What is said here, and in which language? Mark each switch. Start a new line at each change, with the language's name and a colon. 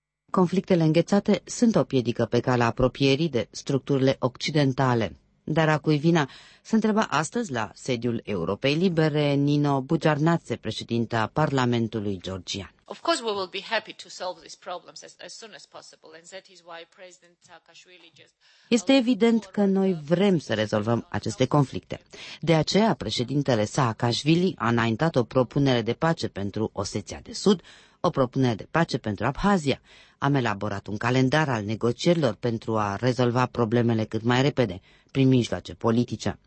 Romanian: Conflictele înghețate sunt o piedică pe calea apropierii de structurile occidentale. Dar a cui vina? Se întreba astăzi la sediul Europei Libere Nino Bujarnace, președinta Parlamentului Georgian.
English: Of course we will be happy to solve these problems as soon as possible, and that is why President Saakashvili just...
Romanian: Este evident că noi vrem să rezolvăm aceste conflicte. De aceea președintele Saakashvili a înaintat o propunere de pace pentru Oseția de Sud, o propunere de pace pentru Abhazia. Am elaborat un calendar al negocierilor pentru a rezolva problemele cât mai repede, prin mijloace politice.